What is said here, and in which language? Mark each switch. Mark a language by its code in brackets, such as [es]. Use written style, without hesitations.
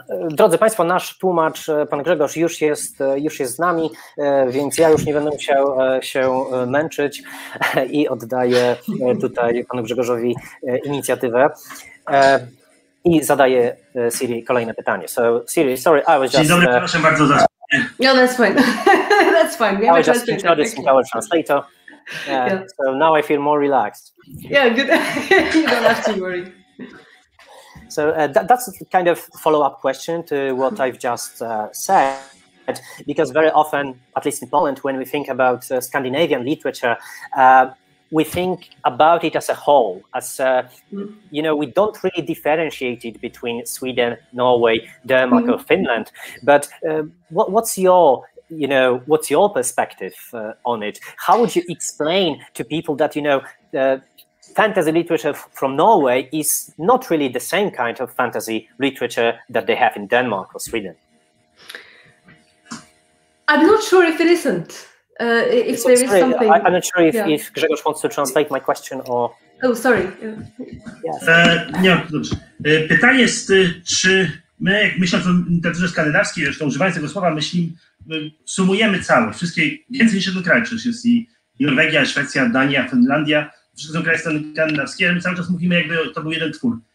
[pl] Drodzy Państwo, nasz tłumacz, pan Grzegorz, już jest z nami, więc ja już nie będę musiał się męczyć i oddaję tutaj panu Grzegorzowi inicjatywę i zadaję Siri kolejne pytanie. [en] So, Siri, sorry, I was just... [pl] Dzień dobry, proszę bardzo. [en] No, that's fine. That's fine. We have I was just introducing our translator. So now I feel more relaxed. Yeah, good. You don't have to worry. So that's kind of follow-up question to what I've just said, because very often, at least in Poland, when we think about Scandinavian literature, we think about it as a whole, as, you know, we don't really differentiate it between Sweden, Norway, Denmark, or Finland, but what's your perspective on it? How would you explain to people that, you know, fantasy literature from Norway is not really the same kind of fantasy literature that they have in Denmark or Sweden? I'm not sure if it isn't. If there is something. I'm not sure if Grzegorz wants to translate my question or... Oh, sorry. Yes. [pl] Nie, dobrze. Pytanie jest, czy my, jak myśląc o literaturze skandynawskiej, zresztą używając tego słowa, myślimy, sumujemy całość, wszystkie, więcej niż jedno kraj, przecież jest i Norwegia, Szwecja, Dania, Finlandia, wszystko kraje skandynawskie, ale my cały czas mówimy, jakby to był jeden twór.